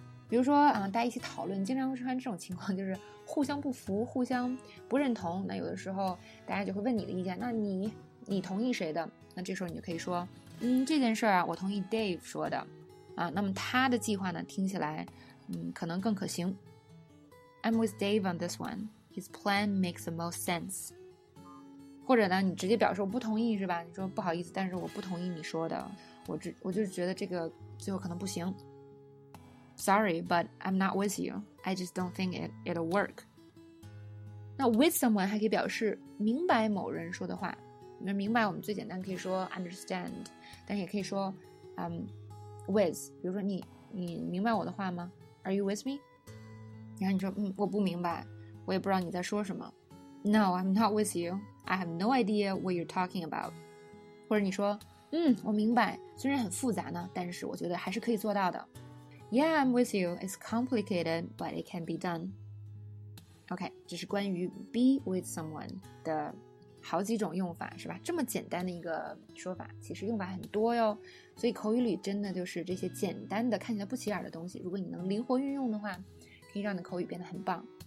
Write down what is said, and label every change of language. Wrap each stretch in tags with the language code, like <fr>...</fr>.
<zh>比如说大家一起讨论，经常会出现这种情况，就是互相不服，互相不认同，那有的时候大家就会问你的意见，那你同意谁的？那这时候你就可以说这件事啊我同意 Dave 说的那么他的计划呢听起来可能更可行。</zh> <en>I'm with Dave on this one, his plan makes the most sense。</en> <zh>或者呢你直接表示我不同意，是吧？你说不好意思，但是我不同意你说的，我就觉得这个最后可能不行。</zh> <en>Sorry, but I'm not with you. I just don't think it'll work.</en> <zh>那 with someone 还可以表示明白某人说的话，那明白我们最简单可以说 understand， 但也可以说with， 比如说你明白我的话吗？</zh> <en>Are you with me？</en> <zh>然后你说我不明白，我也不知道你在说什么。</zh> <en>No， I'm not with you， I have no idea what you're talking about。</en> <zh>或者你说我明白，虽然很复杂呢，但是我觉得还是可以做到的。</zh> <en>Yeah， I'm with you， it's complicated but it can be done。</en> <zh>OK， 这是关于 be with someone 的好几种用法，是吧？这么简单的一个说法，其实用法很多哟。所以口语里真的就是这些简单的看起来不起眼的东西，如果你能灵活运用的话，可以让你的口语变得很棒。</zh>